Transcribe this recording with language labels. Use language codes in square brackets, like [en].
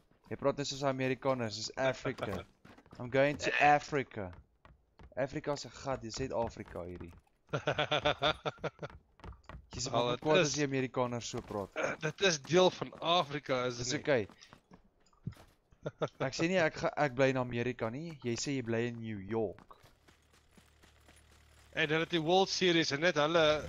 [af] Jy praat nie soos Amerikaners, soos Afrika. [en] I'm going to Africa. [af] Afrika is a gat, dit is Suid-Afrika hierdie. Jy is wat kwaad as die Amerikaners so praat. Dit is deel van Afrika, is dit nie? Dit is oké. Ek sê nie, ek bly in Amerika nie. Jy sê jy bly in New York. En hulle het die World Series en net hulle